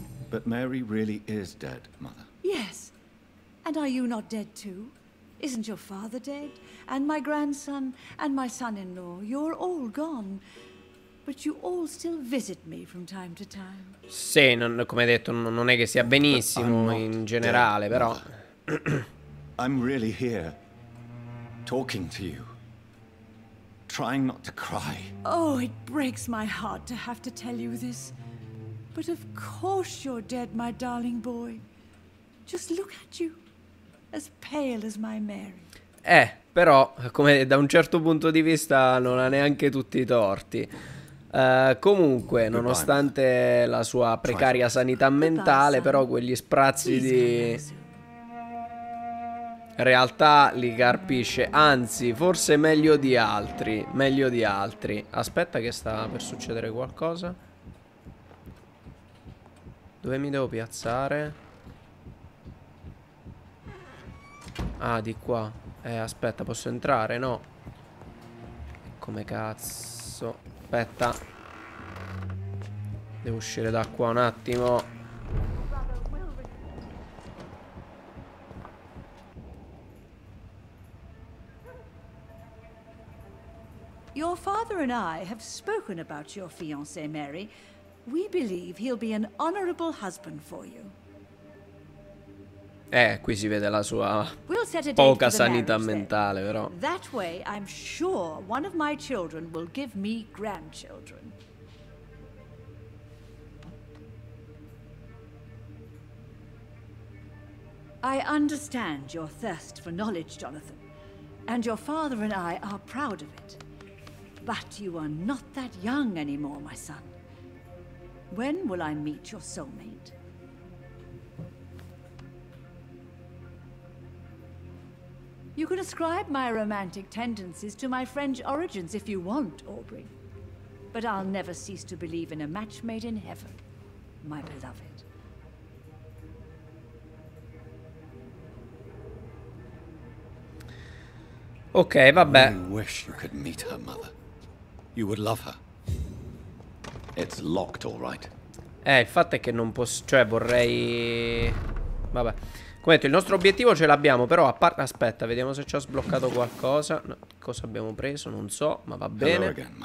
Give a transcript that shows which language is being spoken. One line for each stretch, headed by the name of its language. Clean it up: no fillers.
English: But Mary really is dead, Mother. Yes. And are you not dead too? Isn't your father dead? And my grandson and my son-in-law? You're all gone. But you all still visit me from time to time.
Italian: Sì, non, come detto, non è che sia benissimo in generale,
English: dead,
Italian: però.
English: I'm really here, talking to you, trying not to cry. Oh, it breaks my heart to have to tell you this. But of course you're dead, my darling boy. Just look at you, as pale as my Mary.
Italian: Però, come da un certo punto di vista, non ha neanche tutti i torti. Comunque, nonostante la sua precaria sanità mentale, però quegli sprazzi di realtà li carpisce. Anzi, forse meglio di altri. Meglio di altri. Aspetta che sta per succedere qualcosa. Dove mi devo piazzare? Ah, di qua. Aspetta, posso entrare? No. Come cazzo. Aspetta. Devo uscire da qua un attimo.
English: Your father and I have spoken about your fiancé, Mary. We believe he'll be an honorable husband for you.
Italian: Qui si vede la sua poca sanità mentale, però.
English: That way, I'm sure one of my children will give me grandchildren. I understand your thirst for knowledge, Jonathan. And your father and I are proud of it. But you are not that young anymore, my son. When will I meet your soulmate? You can ascribe my romantic tendencies to my French origins if you want, Aubrey. But I'll never cease to believe in a match made in heaven, my beloved.
Italian: Ok, vabbè.
English: I wish you could meet her mother. You would love her. It's locked, all right.
Italian: Il fatto è che non posso, cioè vorrei, vabbè. Come detto, il nostro obiettivo ce l'abbiamo, però a parte, aspetta, vediamo se ci ha sbloccato qualcosa. No, cosa abbiamo preso, non so, ma va bene.